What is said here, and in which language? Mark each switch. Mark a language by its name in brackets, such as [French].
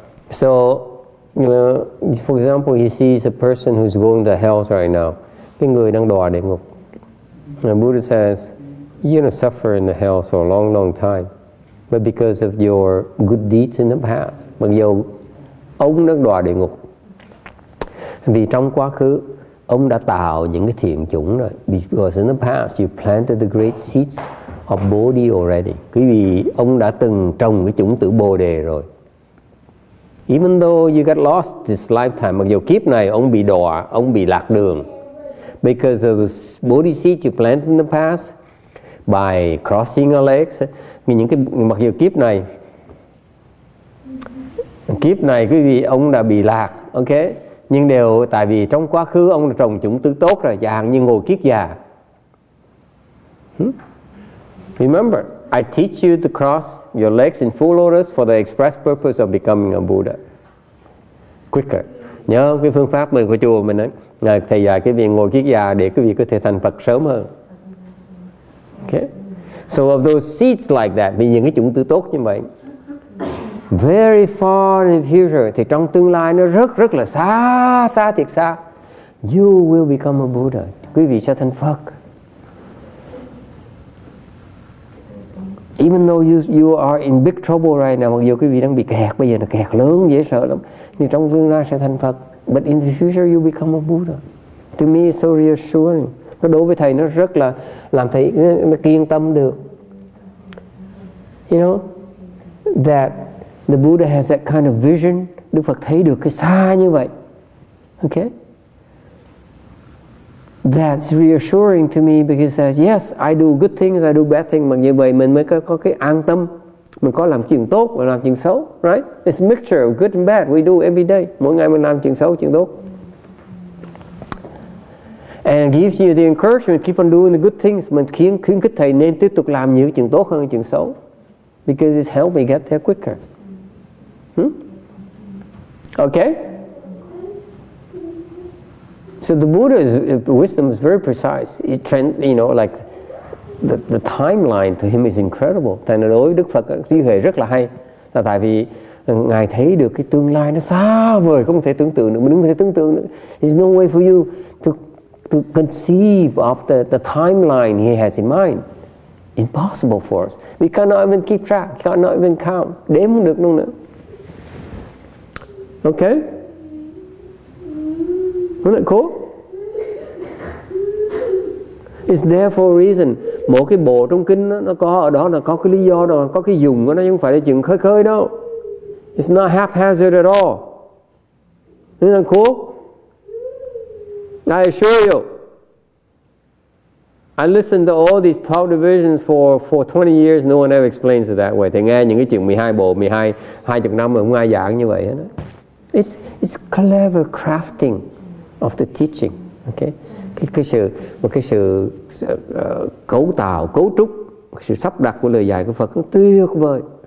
[English] So, for example, he sees a person who's going to hell right now. [Vietnamese] Cái người đang đọa địa ngục. [English] The Buddha says, you're going to suffer in the hell for a long, long time. But because of your good deeds in the past. [Vietnamese] Mặc dù ông đang đọa địa ngục. Vì trong quá khứ, ông đã tạo những cái thiện chủng rồi. [English] Because in the past, you planted the great seeds of Bodhi already. [Vietnamese] Quý vị, ông đã từng trồng cái chủng tử Bồ Đề rồi. [English] Even though you got lost this lifetime, [Vietnamese] mặc dù kiếp này ông bị đọa, ông bị lạc đường. [English] Because of the Bodhi seeds you planted in the past, by crossing your legs, [Vietnamese] những cái, mặc dù kiếp này quý vị, ông đã bị lạc, [English] ok? [Vietnamese] Nhưng đều tại vì trong quá khứ ông đã trồng chủng tử tốt rồi, già như ngồi kiết già. [English] Remember, I teach you to cross your legs in full lotus for the express purpose of becoming a Buddha quicker. [Vietnamese] Nhớ cái phương pháp mình của chùa mình ấy, thầy dạy cái việc ngồi kiết già để quý vị có thể thành Phật sớm hơn. [English] Okay. So of those seeds like that, [Vietnamese] vì những cái chủng tử tốt như vậy, [English] very far in the future, [Vietnamese] thì trong tương lai nó rất rất là xa, xa thiệt xa, [English] you will become a Buddha. [Vietnamese] Quý vị sẽ thành Phật. [English] Even though you are in big trouble right now, [Vietnamese] mặc dù quý vị đang bị kẹt, bây giờ là kẹt lớn, dễ sợ lắm. Nhưng trong tương lai sẽ thành Phật. [English] But in the future you become a Buddha. To me it's so reassuring. [Vietnamese] Nó đối với thầy nó rất là làm thầy yên tâm được. [English] You know, that the Buddha has that kind of vision. [Vietnamese] Đức Phật thấy được cái xa như vậy. [English] Okay? That's reassuring to me because he says, yes, I do good things, I do bad things. [Vietnamese] Mặc như vậy mình mới có cái an tâm. Mình có làm chuyện tốt và làm chuyện xấu, right? [English] It's a mixture of good and bad we do every day. [Vietnamese] Mỗi ngày mình làm chuyện xấu, chuyện tốt. [English] And it gives you the encouragement to keep on doing the good things. [Vietnamese] Mình khuyến khích thầy nên tiếp tục làm nhiều chuyện tốt hơn chuyện xấu. [English] Because it's helping me get there quicker. Okay? So the Buddha's wisdom is very precise. It trend, you know, like the timeline to him is incredible. [Vietnamese] Tại nên đối với Đức Phật trí huệ rất là hay. Là tại vì ngài thấy được cái tương lai nó xa vời, không thể tưởng tượng được. Mình không thể tưởng tượng được. [English] There's no way for you to conceive of the timeline he has in mind. Impossible for us. We cannot even keep track. We cannot even count. [Vietnamese] Đếm không được luôn nữa. [English] Okay. Isn't that cool? It's there for a reason. [Vietnamese] Mỗi cái bộ trong kinh đó, nó có ở đó là có cái lý do đó, có cái dùng của nó, không phải là chuyện khơi khơi đâu. [English] It's not haphazard at all. Isn't that cool? I assure you. I listened to all these top divisions for 20 years. No one ever explains it that way. [Vietnamese] Thì nghe những cái chuyện 12 bộ, 12, 20 năm mà không ai giảng như vậy. [English] It's clever crafting of the teaching, okay? [Vietnamese] Cái sự cấu tạo, cấu trúc, sự sắp đặt của lời dạy của Phật nó tuyệt vời.